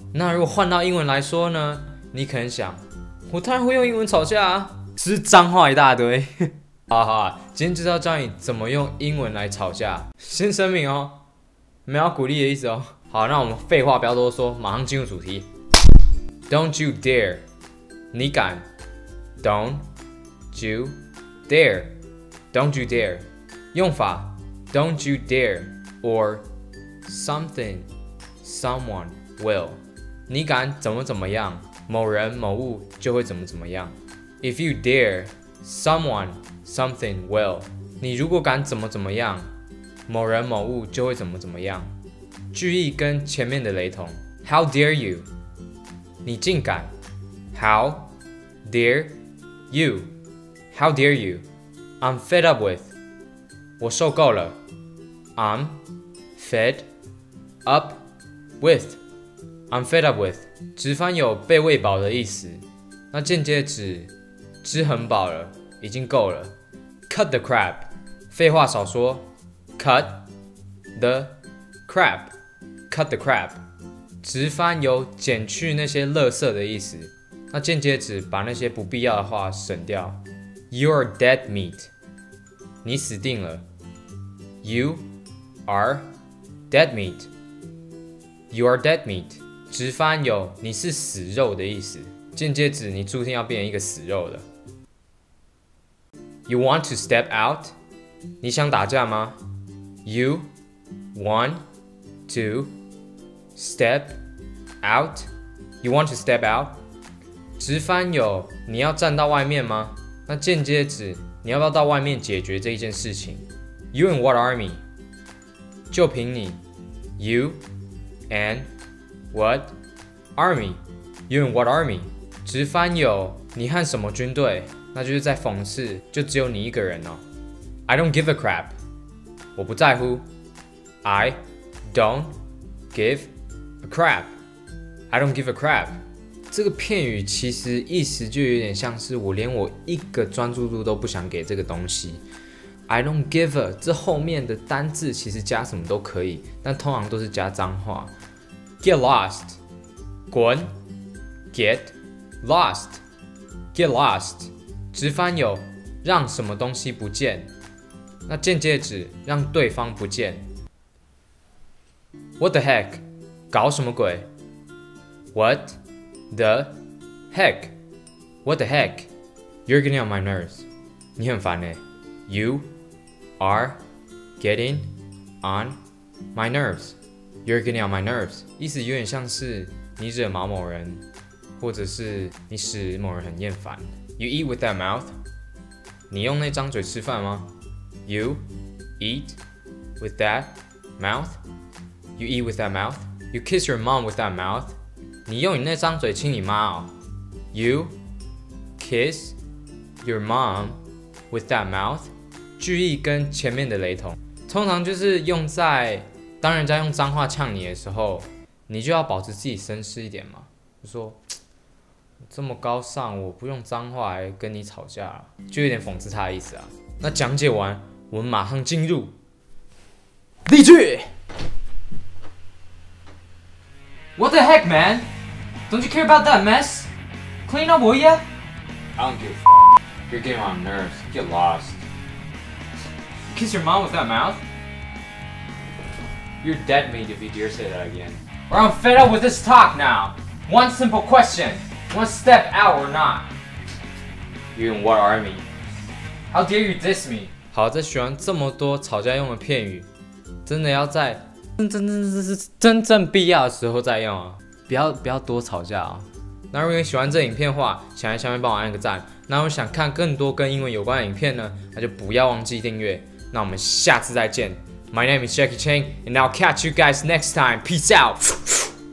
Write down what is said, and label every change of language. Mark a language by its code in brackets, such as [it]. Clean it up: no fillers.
[zh] 那如果换到英文来说呢？你可能想，我当然会用英文吵架啊，是脏话一大堆。好好啊，今天就是要教你怎么用英文来吵架。先声明哦，没有鼓励的意思哦。好，那我们废话不要多说，马上进入主题。 [en] Don't you dare， [zh] 你敢 [en] ？Don't you dare，Don't you dare， 用法 ，Don't you dare or something，someone will， [zh] 你敢怎么怎么样，某人某物就会怎么怎么样。 [en] If you dare，someone，something will， [zh] 你如果敢怎么怎么样，某人某物就会怎么怎么样。句意跟前面的雷同 ，How dare you？你竟敢 [en] ？How dare you? How dare you? I'm fed up with. [zh] 我受够了。 [en] I'm fed up with. I'm fed up with. [zh] 直翻有被喂饱的意思，那间接指吃很饱了，已经够了。 [en] Cut the crap. [zh] 废话少说。 [en] Cut the crap. Cut the crap. [zh] 直翻有减去那些垃圾的意思，那间接指把那些不必要的话省掉。 [en] You're dead meat， [zh] 你死定了。 [en] You are dead meat， you are dead meat， [zh] 直翻有你是死肉的意思，间接指你注定要变成一个死肉了。 [en] You want to step out， [zh] 你想打架吗 [en] ？You want to。 Step out. You want to step out? [zh] 直翻有你要站到外面吗？那间接指你要不要到外面解决这一件事情。 [en] You and what army? [zh] 就凭你。 [en] You and what army? You and what army? [zh] 直翻有你和什么军队？那就是在讽刺，就只有你一个人哦。 [en] I don't give a crap. [zh] 我不在乎。 [en] I don't give. Crap, I don't give a crap. [zh] 这个片语其实意思就有点像是我连我一个专注度都不想给这个东西。 [en] I don't give a [zh] 这后面的单字其实加什么都可以，但通常都是加脏话。 [en] Get lost, [zh] 滚。 [en] Get lost, get lost. [zh] 直翻有让什么东西不见，那间接指让对方不见。 [en] What the heck? [zh] 搞什么鬼 [en] ？What the heck? What the heck? You're getting on my nerves. [zh] 你很烦欸。 [en] You are getting on my nerves. You're getting on my nerves. [zh] 意思有点像是你惹毛某人，或者是你使某人很厌烦。 [en] You eat with that mouth? [zh] 你用那张嘴吃饭吗 [en] ？You eat with that mouth? You eat with that mouth? You kiss your mom with that mouth. [zh] 你用你那张嘴亲你妈哦。 [en] You kiss your mom with that mouth. [zh] 句意跟前面的雷同，通常就是用在当人家用脏话呛你的时候，你就要保持自己绅士一点嘛。就说这么高尚，我不用脏话来跟你吵架，就有点讽刺他的意思啊。那讲解完，我们马上进入例句。 [en] What the heck, man? Don't you care about that mess? Clean up, will ya? I don't give a f***. You're getting on nerves. Get lost. Kiss your mom with that mouth? You're dead meat if you dare say that again. Or I'm fed up with this talk now. One simple question. Want to step out or not? You in what army? How dare you diss me? [zh] 好，在学完这么多吵架用的片语，真的要在真正必要的时候再用啊，不要多吵架啊。那如果你喜欢这影片的话，想在下面帮我按个赞。那如果想看更多跟英文有关的影片呢，那就不要忘记订阅。那我们下次再见。 [en] My name is Jacky Chang, and I'll catch you guys next time. Peace out.